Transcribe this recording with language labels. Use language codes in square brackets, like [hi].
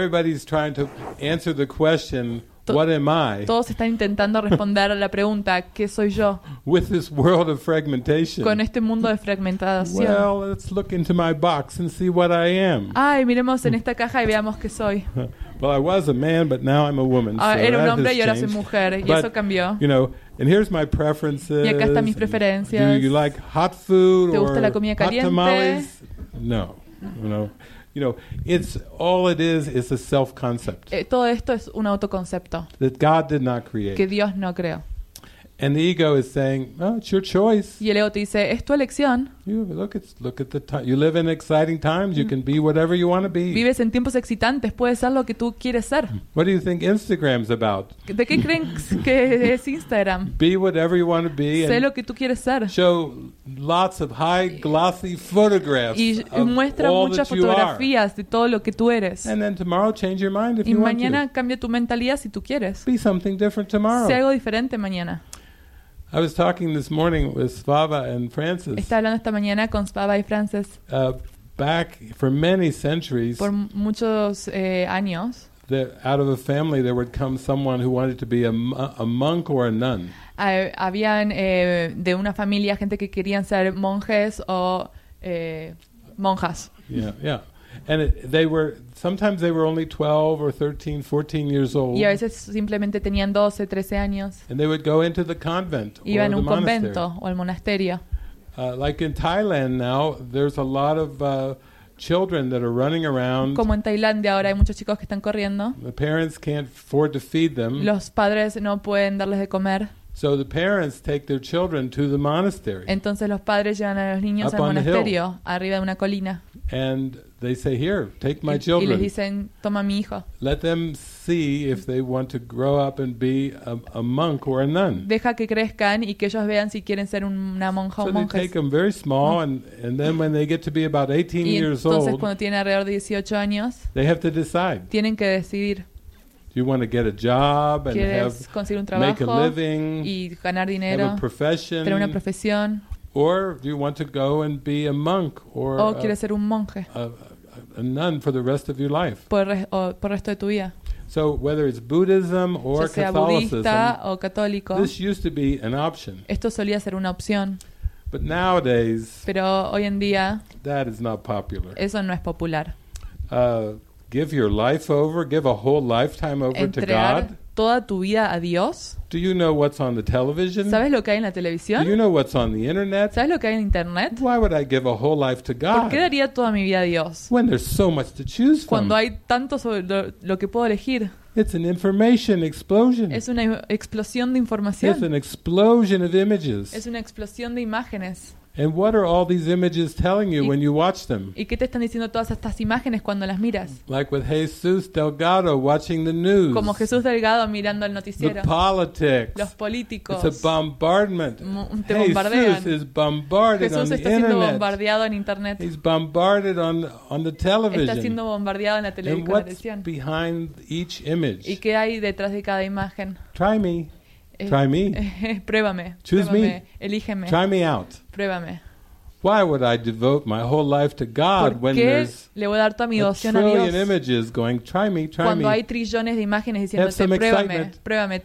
[en] Everybody's trying to answer the question, what am I? [es] Todos están intentando responder a la pregunta, ¿qué soy yo? [en] With this world of fragmentation. [es] Con este mundo de fragmentación. [en] Well, let's look into my box and see what I am. [es] Ay, miremos en esta caja y veamos qué soy. [en] Well, I was a man, but now I'm a woman. [es] Era un hombre y ahora soy mujer, y eso cambió. [en] You know, and here's my preferences. [es] Y acá están mis preferencias. [en] Do you like hot food [es] ¿Te gusta [en] or [es] la comida caliente? [en] Hot tamales? No, no. You know, it's all it is a self-concept. [es] Todo esto es un autoconcepto. [en] That God did not create. [es] Que Dios no creó. [en] And the ego is saying, "Oh, it's your choice." [es] Y el ego te dice, es tu elección. [en] Look at the time. You live in exciting times. You can be whatever you want to be. [es] Vives en tiempos excitantes. Puedes ser lo que tú quieres ser. [en] What do you think Instagram's about? [es] ¿De qué creen que es Instagram? [en] Be whatever you want to be. [es] Sé lo que tú quieres ser. [en] Show lots of high glossy photographs. [es] Y muestra muchas fotografías de todo lo que tú eres. [en] And then tomorrow change your mind if you want [es] to. Y mañana cambia tu mentalidad si tú quieres. [en] Be something different tomorrow. [es] Sé algo diferente mañana. [en] I was talking this morning with Svava and Francis. [es] Estaba hablando esta mañana con Svava y Francis. [en] Back for many centuries. [es] Por muchos años. [en] That out of a family there would come someone who wanted to be a monk or a nun. [es] Habían de una familia gente que querían ser monjes o monjas. [en] Yeah, yeah. And sometimes they were only 12 or 13, 14 years old. [es] Y a veces simplemente tenían 12, 13 años. [en] And they would go into the convent or the monastery. [es] Convento o el monasterio. [en] Like in Thailand now, there's a lot of children that are running around. [es] Como en Tailandia ahora hay muchos chicos que están corriendo. [en] The parents can't afford to feed them. [es] Los padres no pueden darles de comer. [en] So the parents take their children to the monastery. [es] Entonces los padres llevan a los niños al monasterio, arriba de una colina. [en] And they say, "Here, take my children." [es] Y les dicen, "Toma mi hijo." [en] Let them see if they want to grow up and be a monk or a nun. [es] Deja que crezcan y que ellos vean si quieren ser una monja o monjes. [en] So they take them very small, and then when they get to be about 18 years old, [es] y entonces cuando tienen alrededor de 18 años, [en] they have to decide. [es] Tienen que decidir. [en] Do you want to get a job and [es] conseguir un trabajo, [en] make a living [es] y ganar dinero, [en] have a profession, [es] tener una profesión. [en] Or do you want to go and be a monk or a nun for the rest of your life? [es] Por resto de tu vida. [en] So whether it's Buddhism or Catholicism, [es] budista o católico, [en] this used to be an option. [es] Esto solía ser una opción. [en] But nowadays, [es] pero hoy en día, [en] that is not popular. [es] Eso no es popular. [en] Give your life over, give a whole lifetime over [es] Entregar [en] to God. [es] Toda tu vida a Dios. [en] Do you know what's on the television? [es] ¿Sabes lo que hay en la televisión? [en] Do you know what's on the internet? [es] ¿Sabes lo que hay en internet? [en] Why would I give a whole life to God? [es] ¿Por qué daría toda mi vida a Dios? [en] When there's so much to choose from. [es] Cuando hay tanto sobre lo que puedo elegir. [en] It's an information explosion. [es] Es una explosión de información. [en] It's an explosion of images. [es] Es una explosión de imágenes. [en] And what are all these images telling you when you watch them? [es] ¿Y qué te están diciendo todas estas imágenes cuando las miras? [en] Like with Jesús Delgado watching the news. [es] Como Jesús Delgado mirando el noticiero. [en] The politics. [es] Los políticos. [en] It's a bombardment. [es] Te bombardean. [en] Jesús is bombarded [es] Jesús [en] on the [es] está [en] internet. [es] Siendo bombardeado en internet. [en] He's bombarded on the television. [es] Está siendo bombardeado en la televisión. [en] And what's behind each image? [es] ¿Y qué hay detrás de cada imagen? [en] Try me. Try me. [es] Pruébame. [en] Choose [es] pruébame, [en] me. [es] Elígeme. [en] Try me out. [es] Pruébame. [en] Why would I devote my whole life to God when there's [es] le voy a dar toda mi devoción [en] a trillion images going, try me, try [es] cuando [en] me. [es] Cuando hay trillones de imágenes diciéndote, pruébame, pruébame.